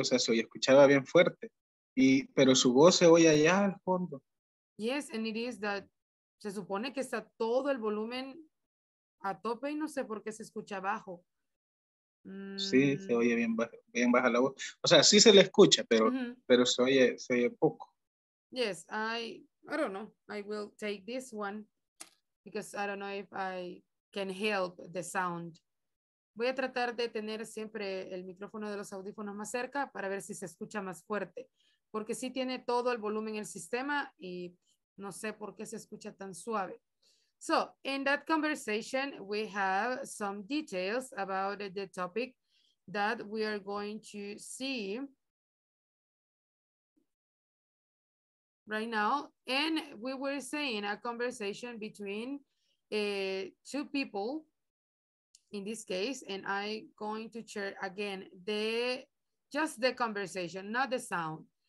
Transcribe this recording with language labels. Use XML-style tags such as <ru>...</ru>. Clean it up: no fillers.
<es>O sea, se escuchaba bien fuerte. Pero su voz se oye allá al fondo.</es> <en>Yes, and it is that</en> <es>se supone que está todo el volumen a tope y no sé por qué se escucha abajo. Sí, se oye bien baja la voz. O sea, sí se le escucha, pero, pero se oye poco.</es> <en>Yes, I don't know. I will take this one because I don't know if I can help the sound.</en> <es>Voy a tratar de tener siempre el micrófono de los audífonos más cerca para ver si se escucha más fuerte. Porque sí tiene todo el volumen en el sistema y no sé por qué se escucha tan suave.</es> <en>So, in that conversation, we have some details about the topic that we are going to see right now. And we were saying a conversation between two people in this case, and I'm going to share again just the conversation, not the sound.</en>